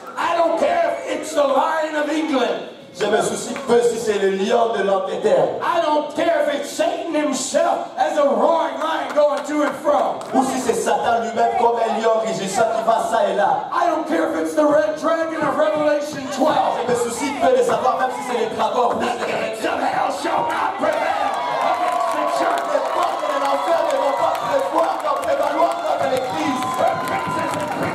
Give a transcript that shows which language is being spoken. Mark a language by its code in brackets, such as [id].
[en] I don't care if it's the Lion of England. [fr] Je me soucie peu si c'est le lion de l'Angleterre. [en] I don't care if it's Satan himself as a roaring lion going to and fro. [fr] Ou si c'est Satan lui-même comme un lion rugissant qui va ça et là. [en] I don't care if it's the red dragon of Revelation 12. [fr] Je me soucie peu de savoir même si c'est le dragon rouge. [en] The gates of hell shall not prevail against the church. [fr] Les portes de l'enfer ne vont pas prévoir d'en prévaloir contre l'église.